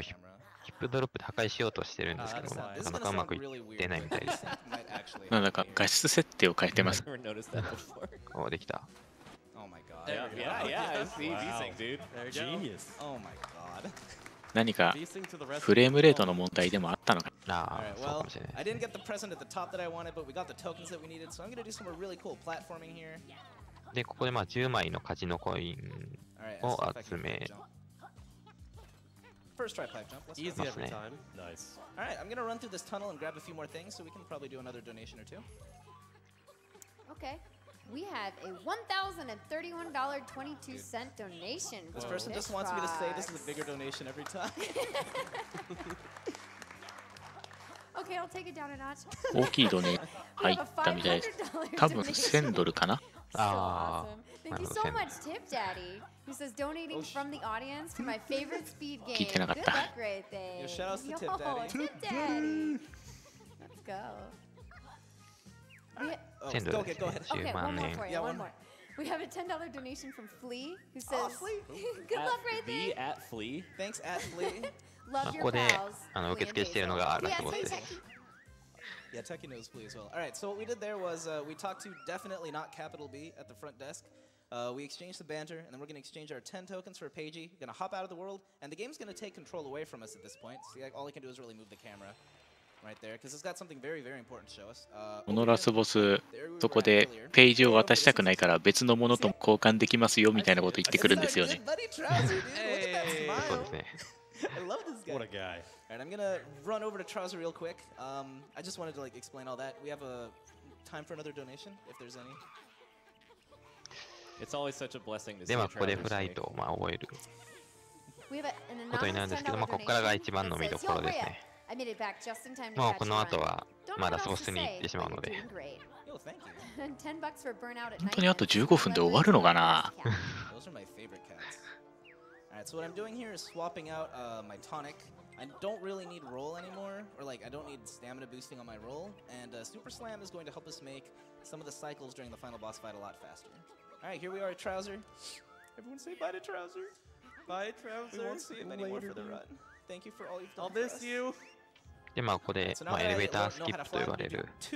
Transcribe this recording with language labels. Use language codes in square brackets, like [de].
[ja] ヒップドロップで破壊しようとしてるんですけども、なかなかうまくいってないみたいです、ね。なんか画質設定を変えてます。おお、できた。 [en] Oh my god. Yeah, yeah, yeah. See, wow. Genius. Oh my god. [ja] 何かフレームレートの問題でもあったのかな。あ、そうかもしれない。 [en] I didn't get the present at the top that I wanted, but we got the tokens that we needed, so I'm gonna do some really cool platforming here. [ja] で、ここでまあ10枚のカジノコインを集め。 [en] First try pipe jump. Easy every time. Nice. All right, I'm gonna run through this tunnel and grab a few more things, so we can probably do another donation or two. Okay. We have a $1,031.22 donation. This person just wants me to say this is a bigger donation every time. Okay, I'll take it down a notch. [ja] 大きいドネ入ったみたいです。多分1000ドルかな。 [en] Thank you so much, Tip Daddy. He says donating from the audience for my favorite speed game. [ja] 聞いてなかった。 [en] Good luck, Ray. Shout out to Tip Daddy. Tip Daddy. Let's go. [ja] 10ドルですね。10万円。 [en] We have a $10 donation from Flea, who says, good luck, Ray. Be at Flea. Thanks, at Flea. Love your pals. [ja] ここで受付しているのがあるということです。 [en] Yeah, Techie knows Flea as well. All right, so what we did there was we talked to definitely not Capital B at the front desk. We exchanged the banter, and then we're going to exchange our 10 tokens for Pagey. We're going to hop out of the world, and the game's going to take control away from us at this point. See, like, all I can do is really move the camera right there, because it's got something very, very important to show us. [ja] このラスボス、そこでPageを渡したくないから別のものと交換できますよみたいなこと言ってくるんですよね。 [en] I love this guy. What a guy. Alright, I'm gonna run over to Trouser real quick. I just wanted to like explain all that. We have a time for another donation, if there's any. It's always such a blessing to see Trouser. [ja] ここでフライトをまあ覚える。 [en] We have an announcement. [ja] ことになるんですけど、まあここからが一番の見どころですね。 [en] I made it back just in time. [ja] もうこの後はまだソースに行ってしまうので。本当にあと15分で終わるのかな。 [en] Those are my favorite cats. Alright, so what I'm doing here is swapping out my tonic. I don't really need roll anymore, or like I don't need stamina boosting on my roll. And Super Slam is going to help us make some of the cycles during the final boss fight a lot faster. Alright, here we are at Trouser. Everyone say bye to Trouser. Bye, Trouser. We won't see him anymore later, for the run. Thank you for all you've done. I'll miss you. [ja] でまあここでまあエレベーターキップと呼ばれる。